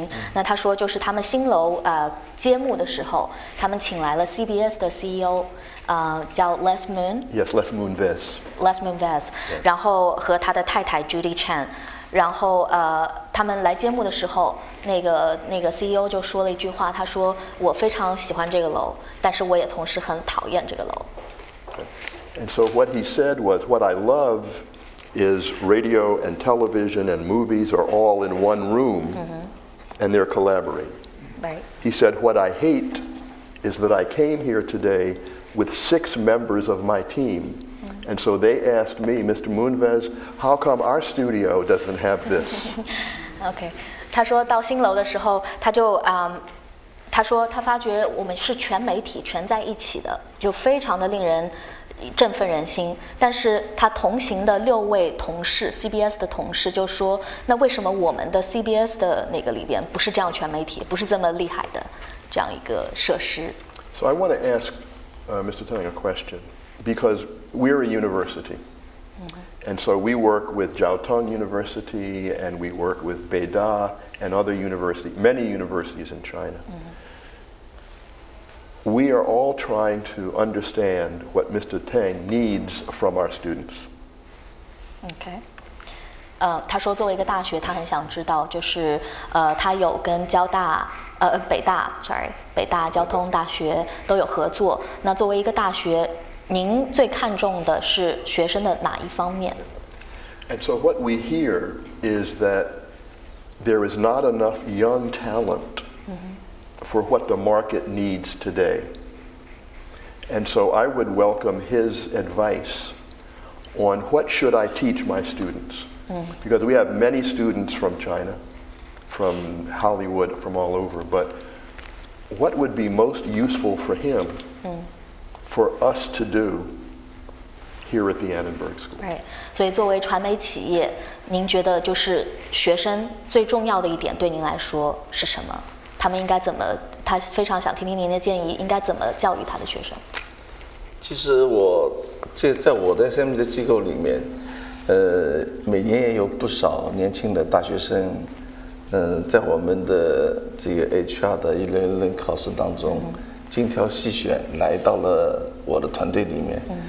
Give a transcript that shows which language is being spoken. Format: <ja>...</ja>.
<zh>Mm-hmm. 那他说就是他们新楼揭幕的时候，他们请来了 CBS 的 CEO， 叫 Les Moon。</zh> <en>Yes, Les Moonves. Les Moonves.、Yes.</en> <zh>然后和他的太太 Judy Chen， 然后他们来揭幕的时候，那个 CEO 就说了一句话，他说我非常喜欢这个楼，但是我也同时很讨厌这个楼。</zh> <en>And so what he said was, what I love is radio and television and movies are all in one room, and they're collaborating. Right. He said, what I hate is that I came here today with six members of my team. Mm-hmm. And so they asked me, Mr. Moonves, how come our studio doesn't have this? Okay.</en> <zh>他说到新楼的时候，他就他说他发觉我们是全媒体全在一起的，就非常的令人振奋人心，但是他同行的六位同事 CBS 的同事就说，那为什么我们的 CBS 的那个里边不是这样全媒体，不是这么厉害的这样一个设施。</zh> <en>So I want to ask Mr. Teng a question, because we're a university, and so we work with Jiao Tong University, and we work with Beida and other universities, many universities in China. We are all trying to understand what Mr. Teng needs from our students. Okay.</en> <zh>他说作为一个大学，他很想知道，就是他有跟交大北大、交通大学都有合作。那作为一个大学，您最看重的是学生的哪一方面？</zh> <en>And so what we hear is that there is not enough young talent for what the market needs today. And so I would welcome his advice on what should I teach my students. Because we have many students from China, from Hollywood, from all over, but what would be most useful for him, for us to do here at the Annenberg School? Right.</en> <zh>所以作为传媒企业，您觉得就是学生最重要的一点对您来说是什么？他们应该怎么？他非常想听听您的建议，应该怎么教育他的学生？其实我在我的 SM 的机构里面，每年也有不少年轻的大学生，在我们的这个 HR 的1011考试当中，精挑细选来到了我的团队里面。</zh>